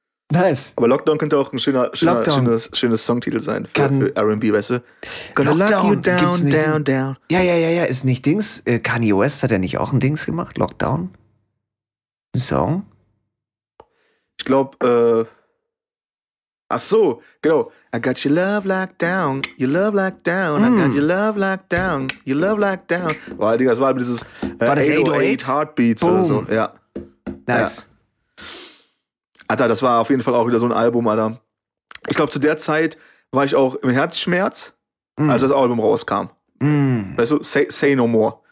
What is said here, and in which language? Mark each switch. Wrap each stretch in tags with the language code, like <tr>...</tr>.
<en>Nice.</en> <de>Aber Lockdown könnte auch ein schönes Songtitel sein für R&B, weißt du?</de> <en>Gonna lock you down.</en> <de>Ja, ist nicht Dings. Kanye West hat ja nicht auch ein Dings gemacht? Lockdown? Song? Ich glaube, Ach so, genau.</de> <en>I got your love locked down, your love locked down. Mm. I got your love locked down, your love locked down.</en> <de>Boah, Digga, das war halt dieses war das 808 Heartbeats Boom. Oder so. Ja. Nice. Ja. Alter, das war auf jeden Fall auch wieder so ein Album, Alter. Ich glaube, zu der Zeit war ich auch im Herzschmerz, mm. als das Album rauskam. Mm. Weißt du,</de> <en>say no more.</en>